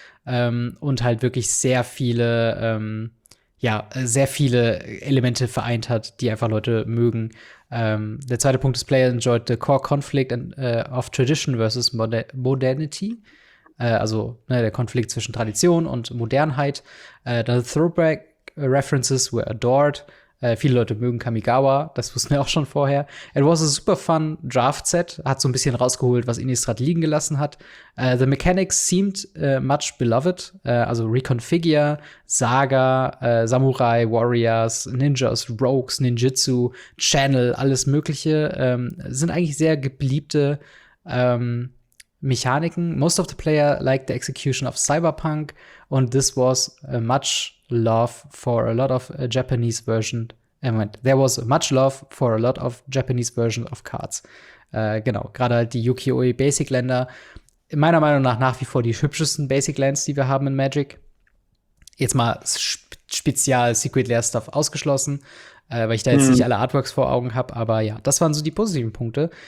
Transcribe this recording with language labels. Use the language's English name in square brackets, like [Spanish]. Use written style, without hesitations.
[German] Und halt wirklich sehr viele, sehr viele Elemente vereint hat, die einfach Leute mögen. Der zweite Punkt ist, [English] Player enjoyed the core conflict of tradition versus modernity. [German] Der Konflikt zwischen Tradition und Modernheit. [English] The throwback references were adored. [German] Viele Leute mögen Kamigawa, das wussten wir auch schon vorher. [English] It was a super fun draft set, [German] hat so ein bisschen rausgeholt, was Innistrad liegen gelassen hat. [English] The mechanics seemed much beloved, [German] also Reconfigure, Saga, Samurai, Warriors, Ninjas, Rogues, Ninjutsu, Channel, alles mögliche, sind eigentlich sehr gebliebte Mechaniken. [English] Most of the player liked the execution of Cyberpunk und this was a much love for a lot of Japanese version. There was much love for a lot of Japanese versions of cards. [German] Genau, gerade halt die Yukioi Basic Länder. Meiner Meinung nach wie vor die hübschesten Basic Lands, die wir haben in Magic. Jetzt mal spezial Secret Lair Stuff ausgeschlossen, weil ich da jetzt nicht alle Artworks vor Augen habe, aber ja, das waren so die positiven Punkte.